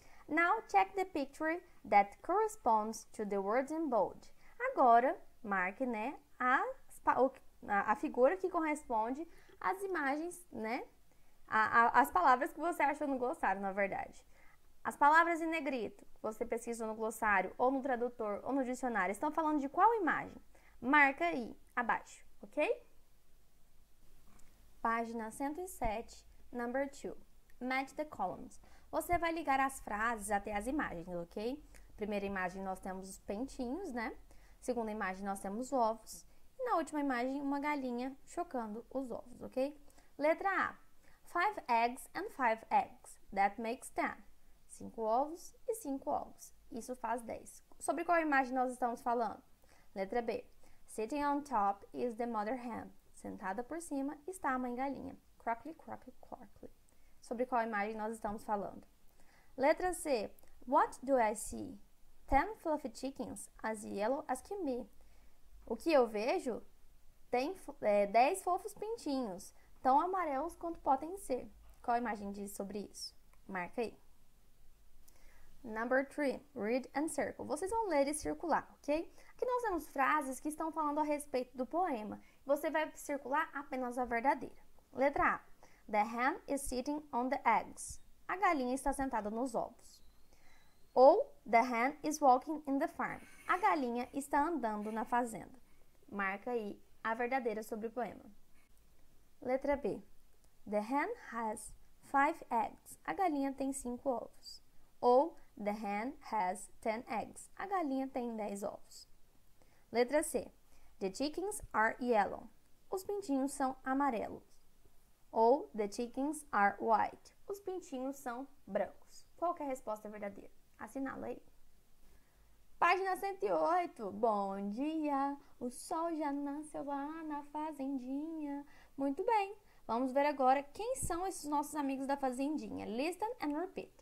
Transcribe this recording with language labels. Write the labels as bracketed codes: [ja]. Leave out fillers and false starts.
[en] Now check the picture that corresponds to the words in bold. [pt] Agora, marque, né, a figura que corresponde às imagens, né, as palavras que você achou no glossário, na verdade. As palavras em negrito que você pesquisou no glossário, ou no tradutor, ou no dicionário, estão falando de qual imagem? Marca aí. Abaixo, ok? Página 107, [en] number 2. Match the columns. [pt] Você vai ligar as frases até as imagens, ok? Primeira imagem nós temos os pentinhos, né? Segunda imagem nós temos ovos. E na última imagem, uma galinha chocando os ovos, ok? Letra A. [en] 5 eggs and 5 eggs. That makes 10. [pt] 5 ovos e 5 ovos. Isso faz 10. Sobre qual imagem nós estamos falando? Letra B. [en] Sitting on top is the mother hen. [pt] Sentada por cima está a mãe galinha. Crockley, crockley, crockley. Sobre qual imagem nós estamos falando? Letra C. [en] What do I see? 10 fluffy chickens as yellow as can be. [pt] O que eu vejo? Tem 10 fofos pintinhos, tão amarelos quanto podem ser. Qual a imagem diz sobre isso? Marca aí. [en] Number 3, read and circle. [pt] Vocês vão ler e circular, ok? Aqui nós temos frases que estão falando a respeito do poema. Você vai circular apenas a verdadeira. Letra A. [en] The hen is sitting on the eggs. [pt] A galinha está sentada nos ovos. [en] Ou, the hen is walking in the farm. [pt] A galinha está andando na fazenda. Marca aí a verdadeira sobre o poema. Letra B. [en] The hen has 5 eggs. [pt] A galinha tem 5 ovos. Ou, [en] the hen has 10 eggs. [pt] A galinha tem 10 ovos. Letra C. [en] The chickens are yellow. [pt] Os pintinhos são amarelos. [en] Ou the chickens are white. [pt] Os pintinhos são brancos. Qual que é a resposta verdadeira? Assinala aí. Página 108. Bom dia. O sol já nasceu lá na fazendinha. Muito bem. Vamos ver agora quem são esses nossos amigos da fazendinha. [en] Listen and repeat.